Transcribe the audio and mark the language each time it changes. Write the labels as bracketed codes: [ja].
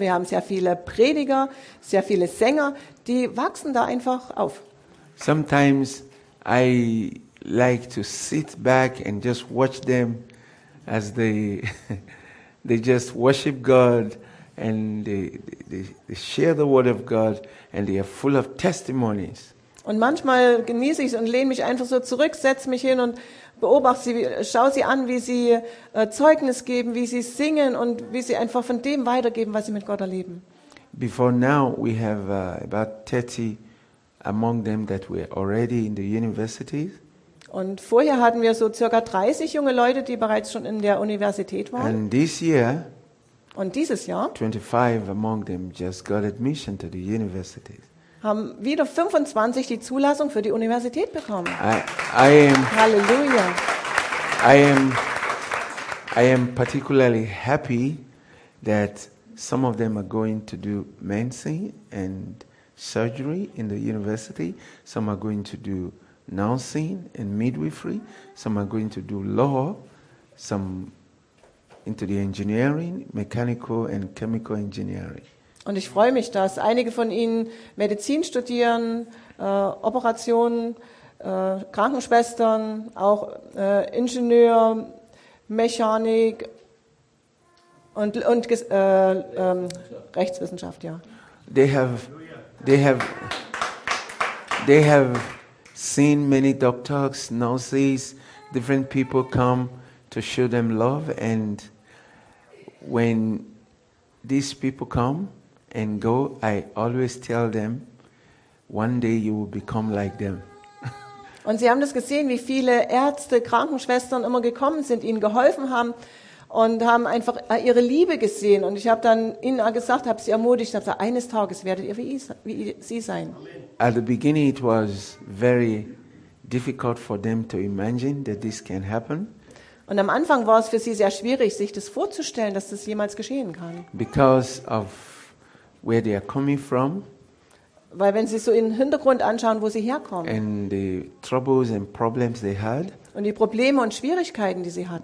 [de] Wir haben sehr viele Prediger, sehr viele Sänger. Die wachsen da einfach auf. [en] Sometimes I like to sit back and just watch them as they just worship God and they share the word of God and they are full of testimonies. [de] Und manchmal genieße ich es und lehne mich einfach so zurück, setze mich hin und beobachte sie, schaue sie an, wie sie Zeugnis geben, wie sie singen und wie sie einfach von dem weitergeben, was sie mit Gott erleben. [en] Before now we have about 30 among them that were already in the universities. [de] Und vorher hatten wir so circa 30 junge Leute, die bereits schon in der Universität waren. [en] And this year, [de] und dieses Jahr [en] 25 among them just got admission to the university. [de] Haben wieder 25 die Zulassung für die Universität bekommen. Halleluja. [en] I am particularly happy that some of them are going to do medicine and surgery in the university. Some are going to do nursing and midwifery. Some are going to do law. Some into the engineering, mechanical and chemical engineering. [de] Und ich freue mich, dass einige von ihnen Medizin studieren, Operationen, Krankenschwestern, auch Ingenieur, Mechanik und Rechtswissenschaft, ja. [en] They have seen many doctors, nurses, different people come to show them love, and when these people come and go, I always tell them, one day you will become like them. [de] Und sie haben das gesehen, wie viele Ärzte, Krankenschwestern immer gekommen sind, ihnen geholfen haben und haben einfach ihre Liebe gesehen. Und ich habe dann ihnen gesagt, habe sie ermutigt, habe gesagt, eines Tages werdet ihr wie sie sein. [en] At the beginning it was very difficult for them to imagine that this can happen. [de] Und am Anfang war es für sie sehr schwierig, sich das vorzustellen, dass das jemals geschehen kann. [en] Because of where they are coming from. [de] Weil wenn sie so ihren Hintergrund anschauen, wo sie herkommen. [en] And the troubles and problems they had. [de] Und die Probleme und Schwierigkeiten, die sie hatten.